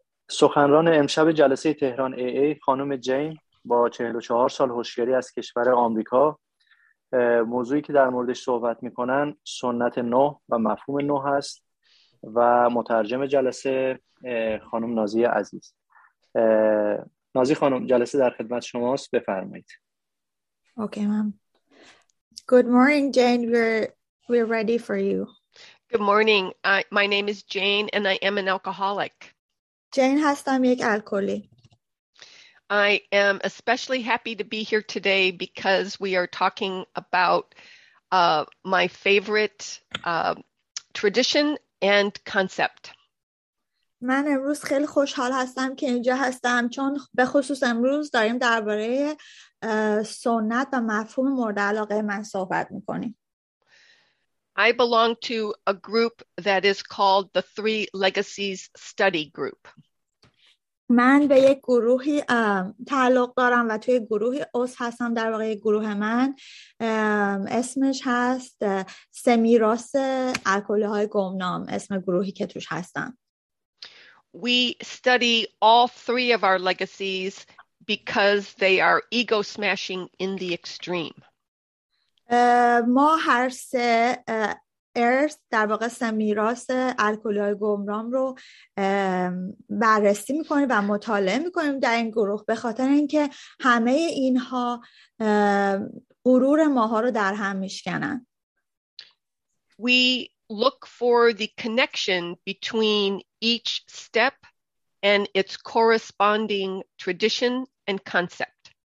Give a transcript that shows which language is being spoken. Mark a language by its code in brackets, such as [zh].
[fa] سخنران امشب جلسه تهران ای ای خانم جین با 44 سال هوشیاری از کشور آمریکا، موضوعی که در موردش صحبت میکنن سنت نو و مفهوم نو هست و مترجم جلسه خانم نازی عزیز. نازی خانم، جلسه در خدمت شماست، بفرمایید. [en] Okay ma'am. Good morning Jane, we are ready for you. Good morning, my name is Jane and I am an alcoholic. Jane has time to alcoholi. I am especially happy to be here today because we are talking about my favorite tradition and concept. [fa] من امروز خیلی خوشحال هستم که اینجا هستم چون به خصوص امروز داریم درباره سنت و مفهوم مورد علاقه من صحبت می‌کنیم. [en] I belong to a group that is called the Three Legacies Study Group. [fa] من به یک گروهی تعلق دارم و توی گروهی عضو هستم، در واقع گروه من اسمش هست سه میراث الکلی‌های گمنام، اسم گروهی که توش هستم. [en] We study all three of our legacies because they are ego smashing in the extreme. [fa] ما هر سه ارث، در واقع سه میراث الکلی‌های گمنام رو بررسی می‌کنیم و مطالعه می‌کنیم در این گروه، به خاطر اینکه همه اینها غرور ماها رو در هم می‌شکنن. [en] We look for the connection between each step and its corresponding tradition and concept.